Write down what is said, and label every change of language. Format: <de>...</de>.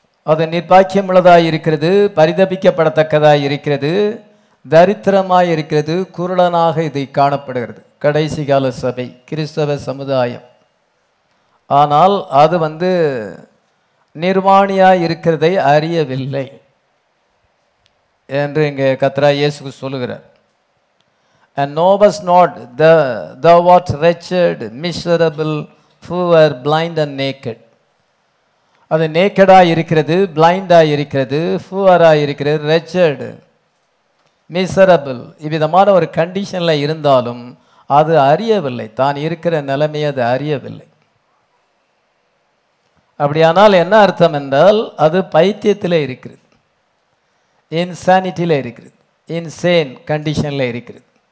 <ta>அது நிர்பாக்கியம் உள்ளதாய் இருக்கிறது, பரிதபிக்கப்படத்தக்கதாய் இருக்கிறது, தரித்திரமாய் இருக்கிறது, குருடனாக இதை காணப்படுகிறது. கடைசி கால சபை, கிறிஸ்தவ சமுதாயம். ஆனால் அது வந்து நிர்வாணியாய் இருக்கிறதை அறியவில்லை என்று இங்கே கர்த்தராய் இயேசு சொல்லுகிறார்.</ta> <en>And knowest not thou what wretched, miserable, poor, blind and naked.</en> <ta>அது நேக்கடாய் இருக்கிறது, பிளைண்டாய் இருக்கிறது, புவராய் இருக்கிறது, ரெச்சர்டு, மிசரபிள், இவ்விதமான ஒரு கண்டிஷனில் இருந்தாலும் அது அறியவில்லை. தான் இருக்கிற நிலைமையை அது அறியவில்லை. அப்படியானால் என்ன அர்த்தம் என்றால் அது பைத்தியத்தில் இருக்கிறது, இன்சானிட்டியில் இருக்கிறது, இன்சேன் கண்டிஷனில் இருக்கிறது.</ta>